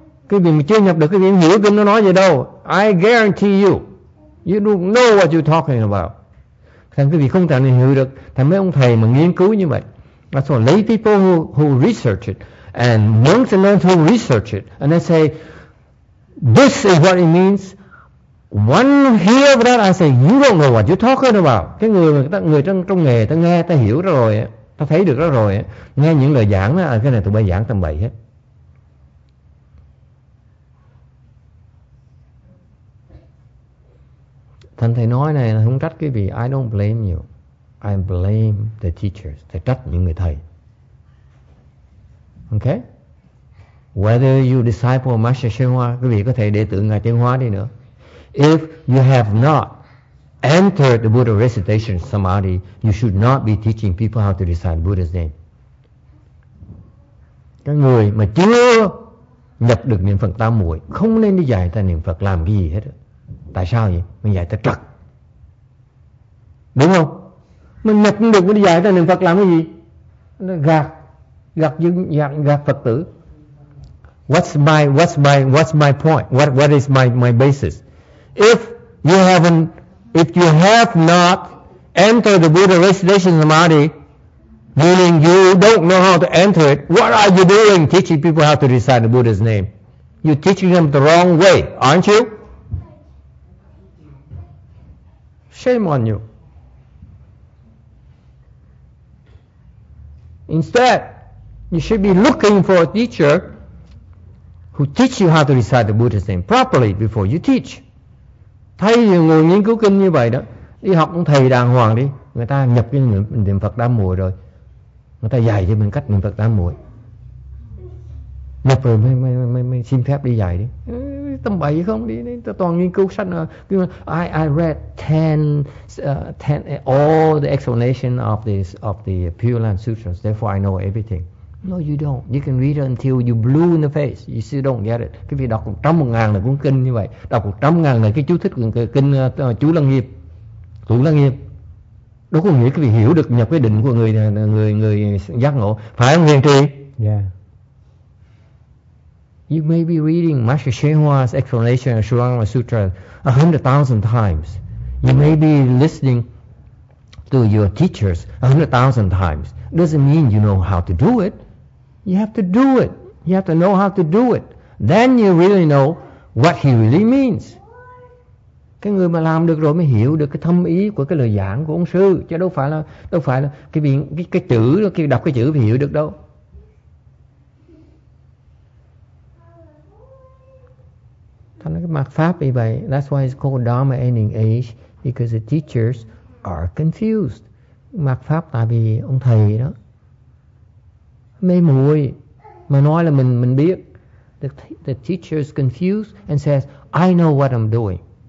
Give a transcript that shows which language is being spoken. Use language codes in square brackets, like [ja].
[vi] Quý vị chưa nhập được, quý vị hiểu kinh nó nói gì đâu. [en] I guarantee you don't know what you're talking about. [vi] Thành quý vị không thể hiểu được. Thành mấy ông thầy mà nghiên cứu như vậy, [en] that's why lay people who research it and monks and nuns who research it, and they say, this is what it means. One hear of that, I say, you don't know what you're talking about. [vi] Cái người trong nghề, ta nghe, ta hiểu rồi, ta thấy được rồi, nghe những lời giảng, cái này tụi bây giảng tầm bậy hết. Thành thầy nói này, không trách cái vị, [en] I don't blame you. [vi] I blame the teachers, thầy trách những người thầy. [en] Okay. Whether you disciple Master Chen Hoa, [vi] quý vị có thể đệ tử ngài Chen Hoa đi nữa. [en] If you have not entered the Buddha recitation samadhi, you should not be teaching people how to recite Buddha's name. [vi] Cái người mà chưa nhập được niệm Phật tam muội không nên đi dạy ta niệm Phật làm cái gì hết. Tại sao vậy? Mình dạy ta trật. Đúng không? Mình nhập không được, mình đi dạy người ta niệm Phật làm cái gì? Nó gạt, gạt dân, gạt, gạt Phật tử. [en] What's my point? What is my basis? If you have not entered the Buddha recitation samadhi, meaning you don't know how to enter it, what are you doing teaching people how to recite the Buddha's name? You're teaching them the wrong way, aren't you? Shame on you. Instead, you should be looking for a teacher who teach you how to recite the Buddha's name properly before you teach. [vi] Thấy người nghiên cứu kinh như vậy đó, đi học một thầy đàng hoàng đi, người ta nhập cái niệm Phật Tam Muội rồi, người ta dạy cho mình cách niệm Phật Tam Muội, nhập rồi mới xin phép đi dạy đi. Tâm bậy không đi, toàn nghiên cứu sách. [en] I read ten all the explanation of the Pure Land Sutras, therefore I know everything. No, you don't. You can read it until you blue in the face. You still don't get it. [vi] Cái việc đọc 100,000 là cuốn kinh như vậy. Đọc 100,000 là cái chú thích của kinh chú Lăng Nghiêm, chú Lăng Nghiêm. Đó có nghĩa cái việc hiểu được nhập cái định của người giác ngộ. Phải không, Huyền Trì? [en] Yeah. You may be reading Master Shenhua's explanation of Sarangama Sutra 100,000 times. You may be listening to your teachers 100,000 times. Doesn't mean you know how to do it. You have to do it. You have to know how to do it. Then you really know what he really means. [vi] Cái người mà làm được rồi mới hiểu được cái thâm ý của cái lời giảng của ông sư. Chứ đâu phải là cái chữ, cái đọc cái chữ thì hiểu được đâu. Thành cái mặt pháp như vậy. [en] That's why it's called Dharma Ending Age, because the teachers are confused. [vi] Mặt pháp tại vì ông thầy đó mê muội mà nói là mình biết. [en] The teacher is confused and says, I know what I'm doing.